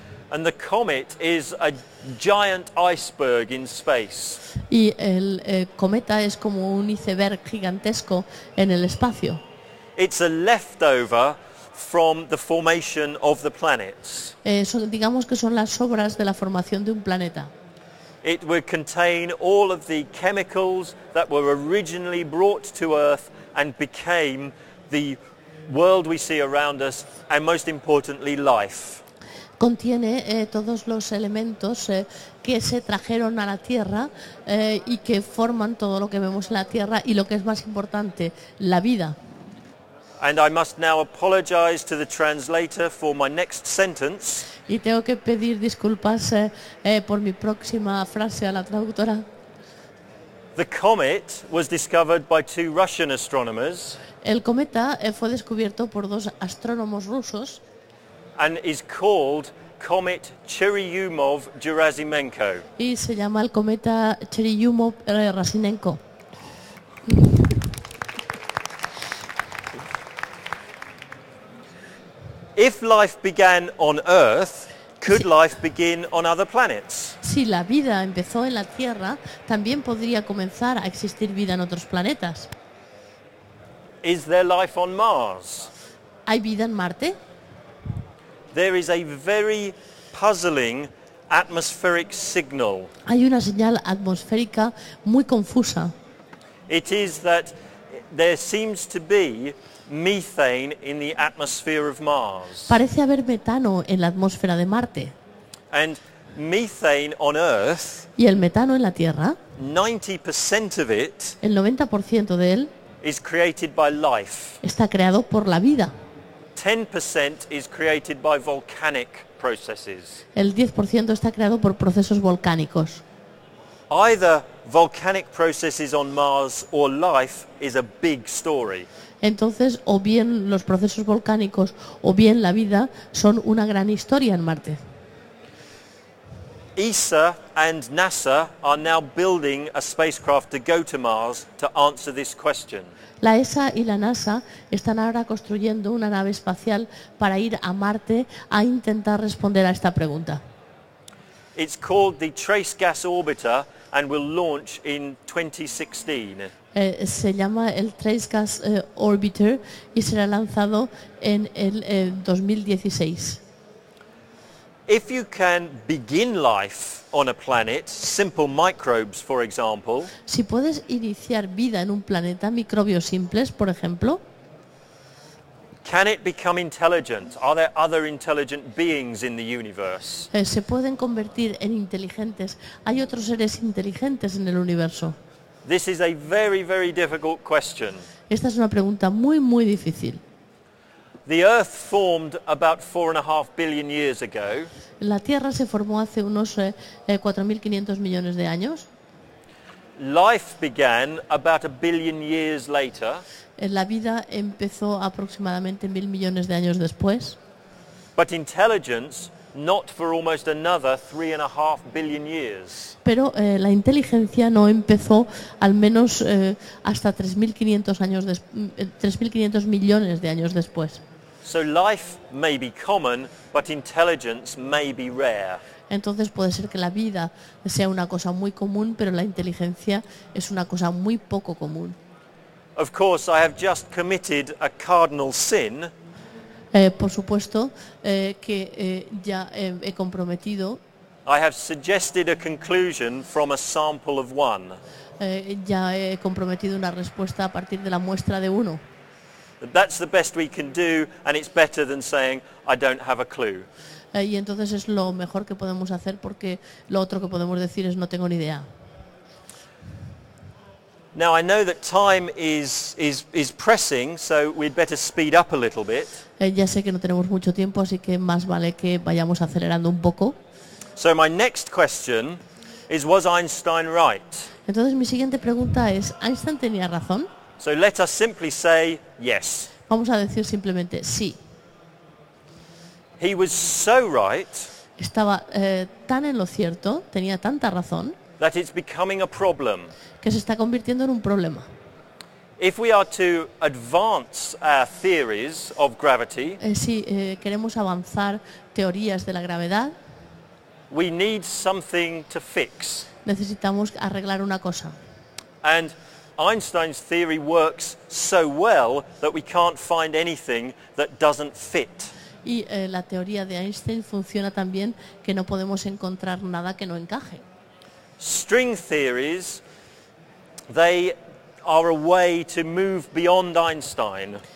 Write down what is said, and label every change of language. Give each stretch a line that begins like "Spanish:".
English: And the comet is a giant iceberg in space.
Spanish: Y el cometa es como un iceberg gigantesco en el espacio.
English: It's a leftover from the formation of the planets.
Spanish: Son, digamos que son las obras de la formación de un planeta.
English: It will contain all of the chemicals that were originally brought to Earth and became the world we see around us and most importantly life.
Spanish: Contiene todos los elementos que se trajeron a la Tierra y que forman todo lo que vemos en la Tierra y lo que es más importante, la vida.
English: And I must now apologize to the translator for my next sentence.
Spanish: Y tengo que pedir disculpas por mi próxima frase a la traductora.
English: The comet was discovered by two Russian astronomers.
Spanish: El cometa fue descubierto por dos astrónomos rusos.
English: And is called Comet Churyumov-Gerasimenko.
Spanish: Y se llama el cometa Churyumov-Gerasimenko.
English: If life began on Earth, could life begin on other planets?
Spanish: Si la vida empezó en la Tierra, también podría comenzar a existir vida en otros planetas.
English: Is there life on Mars?
Spanish: ¿Hay vida en Marte?
English: There is a very puzzling atmospheric signal.
Spanish: Hay una señal atmosférica muy confusa.
English: It is that there seems to be methane in the atmosphere of Mars.
Spanish: Parece haber metano en la atmósfera de Marte.
English: And methane on Earth.
Spanish: Y el metano en la Tierra.
English: 90% of it.
Spanish: El 90% de él.
English: Is created by life.
Spanish: Está creado por la vida.
English: 10% is created by volcanic processes.
Spanish: El 10% está creado por procesos volcánicos.
English: Either volcanic processes on Mars or life is a big story.
Spanish: Entonces, o bien los procesos volcánicos o bien la vida son una gran historia en Marte.
English: ESA and NASA are now building a spacecraft to go to Mars to answer this question.
Spanish: La ESA y la NASA están ahora construyendo una nave espacial para ir a Marte a intentar responder a esta pregunta.
English: It's called the Trace Gas Orbiter and will launch in 2016.
Spanish: Se llama el Trace Gas Orbiter y será lanzado en el 2016.
English: If you can begin life on a planet, simple microbes, for example.
Spanish: Si puedes iniciar vida en un planeta, microbios simples, por ejemplo.
English: Can it become intelligent? Are there other intelligent beings in the universe?
Spanish: Se pueden convertir en inteligentes. ¿Hay otros seres inteligentes en el universo?
English: This is a very, very difficult question.
Spanish: Esta es una pregunta muy, muy difícil.
English: The Earth formed about 4.5 billion years ago.
Spanish: La Tierra se formó hace unos 4.500 millones de años.
English: Life began about a billion years later.
Spanish: La vida empezó aproximadamente 1.000 millones de años después.
English: But intelligence not for almost another 3.5 billion years.
Spanish: Pero la inteligencia no empezó al menos hasta 3.500 millones de años después.
English: So life may be common, but intelligence may be rare.
Spanish: Entonces puede ser que la vida sea una cosa muy común, pero la inteligencia es una cosa muy poco común.
English: Of course, I have just committed a cardinal sin.
Spanish: Por supuesto que ya he comprometido.
English: I have suggested a conclusion from a sample of one.
Spanish: Ya he comprometido una respuesta a partir de la muestra de uno.
English: That's the best we can do, and it's better than saying I don't have a clue.
Spanish: Y entonces es lo mejor que podemos hacer porque lo otro que podemos decir es no tengo ni idea.
English: Now I know that time is pressing, so we'd better speed up a little bit.
Spanish: Ya sé que no tenemos mucho tiempo, así que más vale que vayamos acelerando un poco.
English: So my next question is, was Einstein right?
Spanish: Entonces mi siguiente pregunta es, ¿Einstein tenía razón?
English: So let us simply say yes.
Spanish: Vamos a decir simplemente sí.
English: He was so right.
Spanish: Estaba tan en lo cierto, tenía tanta razón.
English: That it's becoming a problem.
Spanish: Que se está convirtiendo en un problema.
English: If we are to advance our theories of gravity.
Spanish: Si queremos avanzar teorías de la gravedad.
English: We need something to fix.
Spanish: Necesitamos arreglar una cosa.
English: And Einstein's theory works so well that we can't find anything that doesn't fit.
Spanish: Y la teoría de Einstein funciona tan bien que no podemos encontrar nada que no encaje.
English: String theories, they are a way to move beyond Einstein.